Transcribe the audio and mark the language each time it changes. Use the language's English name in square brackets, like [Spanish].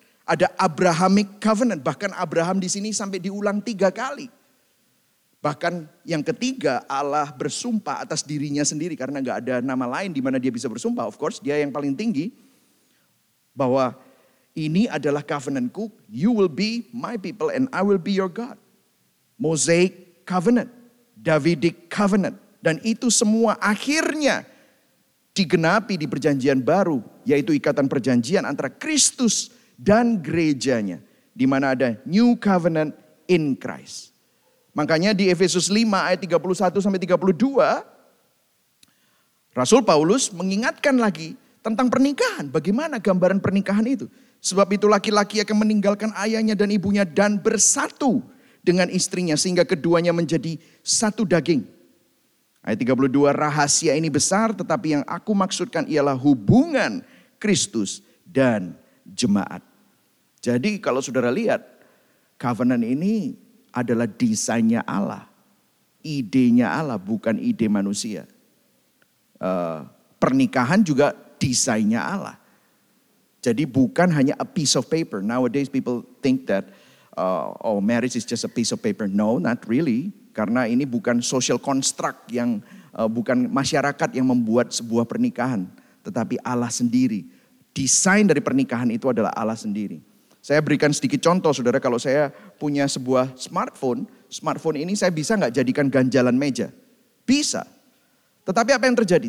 [Indonesian] Ada Abrahamic Covenant. Bahkan Abraham di sini sampai diulang 3 kali. Bahkan yang ketiga, Allah bersumpah atas dirinya sendiri. Karena gak ada nama lain di mana dia bisa bersumpah. [English] Of course, [Indonesian] dia yang paling tinggi. Bahwa ini adalah covenantku. [English] You will be my people and I will be your God. [Indonesian] Mosaic Covenant, Davidic Covenant, dan itu semua akhirnya digenapi di perjanjian baru, yaitu ikatan perjanjian antara Kristus dan gerejanya, di mana ada New Covenant in Christ. Makanya di Efesus 5 ayat 31-32, Rasul Paulus mengingatkan lagi tentang pernikahan, bagaimana gambaran pernikahan itu. Sebab itu laki-laki akan meninggalkan ayahnya dan ibunya dan bersatu dengan istrinya, sehingga keduanya menjadi satu daging. Ayat 32, rahasia ini besar, tetapi yang aku maksudkan ialah hubungan Kristus dan jemaat. Jadi kalau saudara lihat, covenant ini adalah desainnya Allah. Idenya Allah, bukan ide manusia. Pernikahan juga desainnya Allah. Jadi bukan hanya [English] a piece of paper. Nowadays people think that marriage is just a piece of paper. No, not really. [Indonesian] Karena ini bukan social construct yang bukan masyarakat yang membuat sebuah pernikahan. Tetapi Allah sendiri. Desain dari pernikahan itu adalah Allah sendiri. Saya berikan sedikit contoh saudara, kalau saya punya sebuah smartphone. Smartphone ini saya bisa gak jadikan ganjalan meja? Bisa. Tetapi apa yang terjadi?